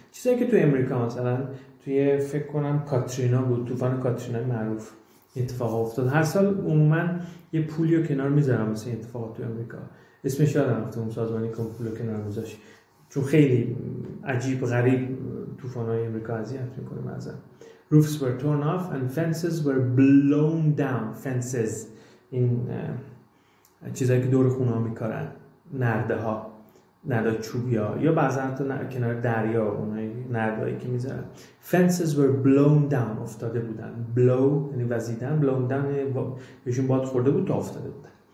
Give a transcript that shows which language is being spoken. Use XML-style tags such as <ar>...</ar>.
<fa>چیزایی که توی امریکا مثلا توی فکر کنم کاترینا بود، طوفان کاترینا معروف اتفاق افتاد. هر سال عموما یه پولی رو کنار میذارم مثل این اتفاقات توی امریکا، اسمش یادم افتاد اون سازمانی که پولو کنار میذاشت، چون خیلی عجیب غریب طوفانای امریکا اذیت میکنه مثلا.</fa> <en>roofs were torn off and fences were blown down.</en> <fa>fences این چیزایی که دور خونه ها میکارن، نرده ها، نرده چوبیا، یا بعضا حتی کنار دریا اونای نردهایی که میذارن.</fa> <en>fences were blown down،</en> <fa>افتاده بودن. blow یعنی وزیدن، blown down بهشون باد خورده بود تا افتاده بودن.</fa>